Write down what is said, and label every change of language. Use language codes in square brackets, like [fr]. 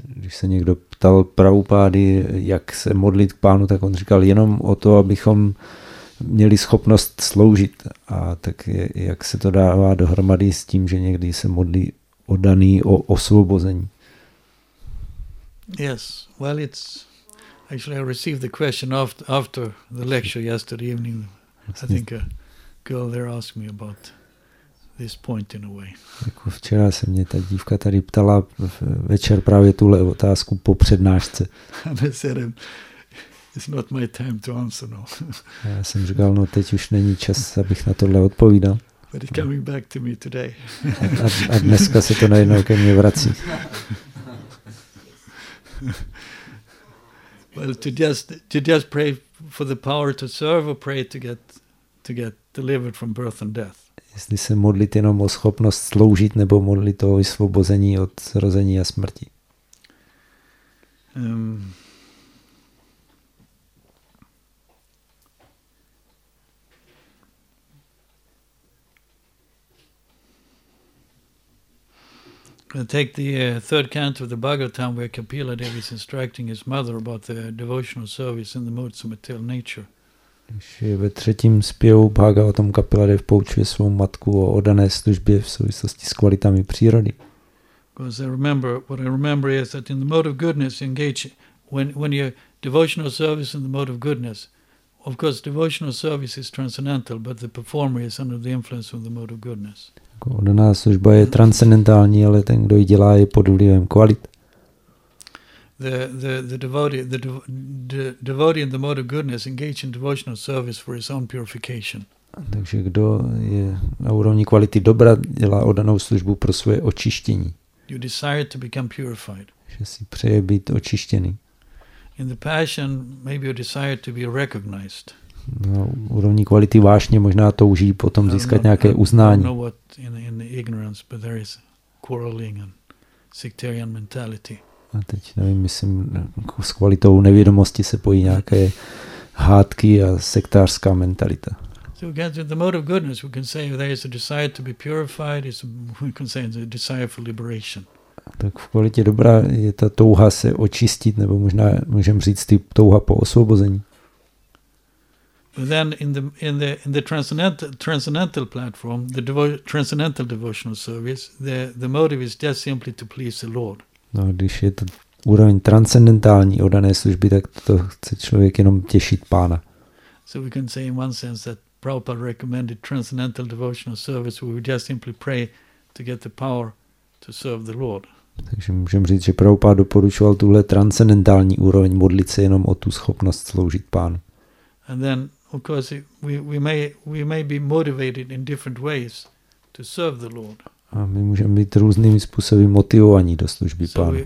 [cs] Když se někdo ptal Prabhupády, jak se modlit k Pánu, tak on říkal jenom o to, abychom měli schopnost sloužit. A tak jak se to dává dohromady s tím, že někdy se modlí oddaný o osvobození? [en] Yes, well, it's actually I received the question after the lecture yesterday evening. [cs] Vlastně. [en] I think. Girl, they asked me about this point in a way. [cs] Jako včera se mě ta dívka tady ptala večer právě tuhle otázku po přednášce. [en] And I said, it's not my time to answer now. [cs] Já jsem říkal, no teď už není čas, abych na tohle odpovídal. [en] But it's coming back to me today. [cs] A dneska se to najednou ke mně vrací. [en] Well, to just pray for the power to serve or pray to get delivered from birth and death. [cs] Jestli se modlit jenom o schopnost sloužit nebo modlit o vysvobození od zrození a smrti. [en] Take the third canto of the Bhagavatam where Kapila Devi is instructing his mother about the devotional service in the modes of material nature. [cs] Když je ve třetím zpěvu Bhagavatam Kapila Dev poučuje svou matku o oddané službě v souvislosti s kvalitami přírody. [en] Because I remember, what I remember is that in the mode of goodness, engage when your devotional service in the mode of goodness. Of course, devotional service is transcendental, but the performer is under the influence of the mode of goodness. [cs] Oddaná služba je transcendentální, ale ten, kdo ji dělá, je pod vlivem kvalit. [en] The devotee in the mode of goodness engage in devotional service for his own purification. [cs] Takže kdo je na úrovni kvality dobra, dělá oddanou službu pro svoje očištění. [en] You desire to become purified. [cs] Že si přeje být očištěný. [en] In the passion, maybe you desire to be recognized. [cs] Na úrovni kvality vášně možná touží potom získat nějaké uznání. [en] I don't know what in the ignorance, but there is quarreling and sectarian mentality. [cs] A teď nevím, myslím, s kvalitou nevědomosti se pojí nějaké hádky a sektářská mentalita. [en] So again, the mode of goodness, we can say there is a desire to be purified, we can say a desire for liberation. [cs] Tak v kvalitě dobrá je ta touha se očistit, nebo možná můžeme říct ty touha po osvobození. [en] Then in the transcendental platform, the transcendental devotional service, the motive is just simply to please the Lord. [cs] No, když je to úroveň transcendentální oddané služby, tak to chce člověk jenom těšit Pána. [en] So we can say in one sense that Prabhupada recommended transcendental devotional service where we just simply pray to get the power to serve the Lord. [cs] Takže můžeme říct, že Prabhupada doporučoval tuhle transcendentální úroveň modlit se jenom o tu schopnost sloužit Pánu. [en] And then of course we may be motivated in different ways to serve the Lord. [cs] A my můžeme být různými způsoby motivovaní do služby Pánu.